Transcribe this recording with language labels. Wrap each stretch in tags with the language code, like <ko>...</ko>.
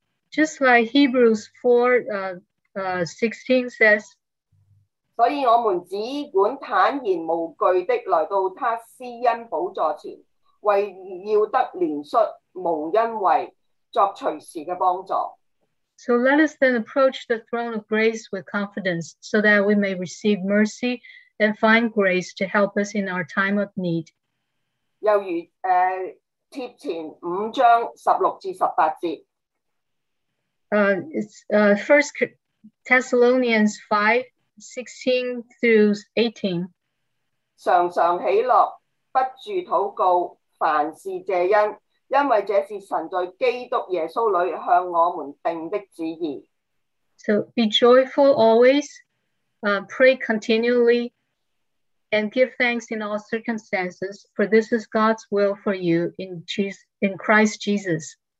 <en>just like Hebrews 4, 16 says,</en> <zh>所以我们只管坦然无惧的来到他施恩宝座前, 为要得怜恤蒙恩惠作随时的帮助。</zh> <en>So let us then approach the throne of grace with confidence so that we may receive mercy and find grace to help us in our time of need.</en> <zh>又如, 帖前五章十六至十八节,</zh> <en>it's 1 Thessalonians 5:16-18.</en> <zh>常常喜乐, 不住祷告, 凡事謝恩，因為這是神在基督耶穌裏向我們定的旨意。</zh> <en>So be joyful always, pray continually, and give thanks in all circumstances, for this is God's will for you in Christ Jesus.</en>